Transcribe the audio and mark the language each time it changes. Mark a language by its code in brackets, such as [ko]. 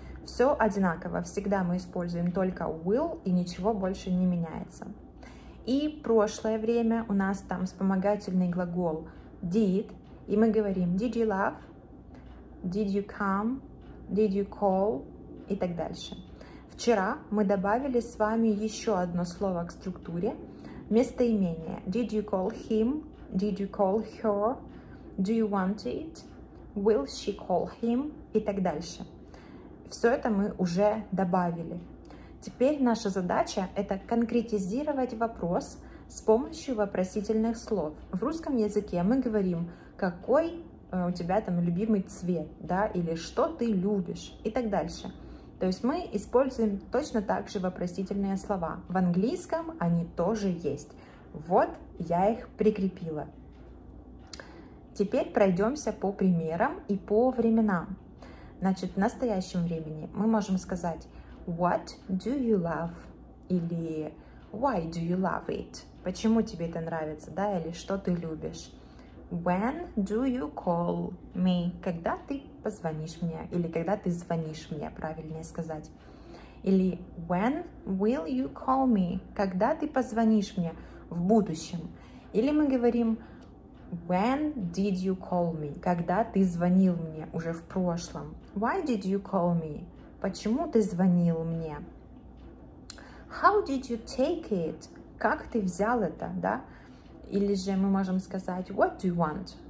[ru] Все одинаково, всегда мы используем только will и ничего больше не меняется. И прошлое время у нас там вспомогательный глагол did, и мы говорим [en] did you love, did you come, did you call [ru] и так дальше. Вчера мы добавили с вами еще одно слово к структуре, местоимение [en] did you call him, [ru] did you call her, do you want it, will she call him и так дальше. Все это мы уже добавили. Теперь наша задача – это конкретизировать вопрос с помощью вопросительных слов. В русском языке мы говорим, какой у тебя там любимый цвет, да, или что ты любишь и так дальше. То есть мы используем точно так же вопросительные слова. В английском они тоже есть. Вот я их прикрепила. Теперь пройдемся по примерам и по временам. Значит, в настоящем времени мы можем сказать [en] «What do you love?» или «Why do you love it?» [ru] «Почему тебе это нравится?» да, или «Что ты любишь?» [en] «When do you call me?» [ru] «Когда ты позвонишь мне?» или «Когда ты звонишь мне?» правильнее сказать. [en] Или «When will you call me?» [ru] «Когда ты позвонишь мне?» в будущем. [en] Или мы говорим When did you call me? [ru] Когда ты звонил мне уже в прошлом? [en] Why did you call me? [ru] Почему ты звонил мне? [en] How did you take it? [ru] Как ты взял это, да? Или же мы можем сказать [en] What do you want?